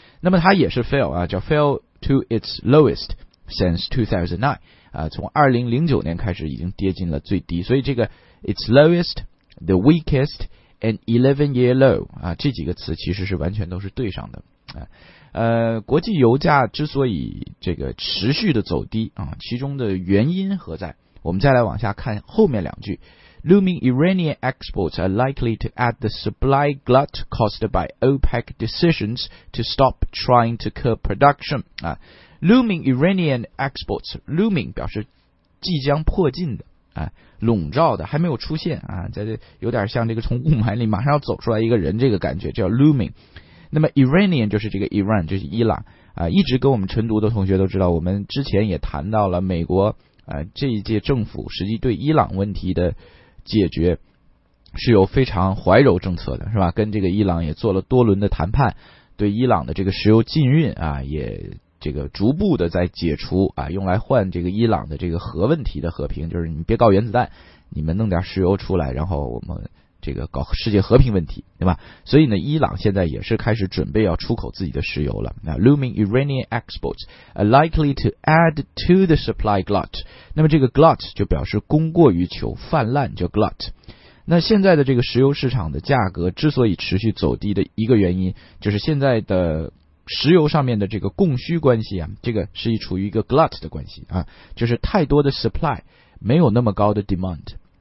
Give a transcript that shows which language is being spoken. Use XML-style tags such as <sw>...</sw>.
<zh>那么它也是 fell 啊，叫</zh> <en>fell to its lowest since 2009</en> <zh>啊，从2009年开始已经跌进了最低。所以这个</zh> <en>its lowest, the weakest, and 11-year low</en> <zh>啊，这几个词其实是完全都是对上的。国际油价之所以这个持续的走低啊，其中的原因何在？我们再来往下看后面两句</zh> <en>：Looming Iranian exports are likely to add the supply glut caused by OPEC decisions to stop trying to curb production.</en> <zh>啊 ，</zh> <en>Looming Iranian exports，</en> <zh>looming 表示即将迫近的啊，笼罩的，还没有出现啊，在这有点像这个从雾霾里马上要走出来一个人这个感觉，叫 looming。那么 Iranian 就是这个 Iran 就是伊朗啊，一直跟我们晨读的同学都知道，我们之前也谈到了美国这一届政府实际对伊朗问题的解决是有非常怀柔政策的，是吧？跟这个伊朗也做了多轮的谈判，对伊朗的这个石油禁运啊也这个逐步的在解除啊，用来换这个伊朗的这个核问题的和平，就是你别搞原子弹，你们弄点石油出来，然后我们这个搞世界和平问题，对吧？所以呢，伊朗现在也是开始准备要出口自己的石油了。</zh> <en>那 looming Iranian exports are likely to add to the supply glut.</en> <zh>那么这个 glut 就表示供过于求、泛滥，叫 glut。那现在的这个石油市场的价格之所以持续走低的一个原因，就是现在的石油上面的这个供需关系啊，这个是处于一个 glut 的关系啊，就是太多的 supply 没有那么高的 demand。</zh>